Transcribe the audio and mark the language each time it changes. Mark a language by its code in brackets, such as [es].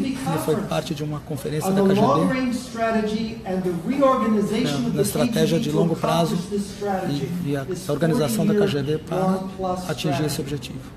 [pt] Ele foi parte de uma conferência da KGB. [en] On the long-range strategy and the reorganization of the KGB. [pt] Na estratégia de longo prazo e a organização da KGB para atingir esse objetivo.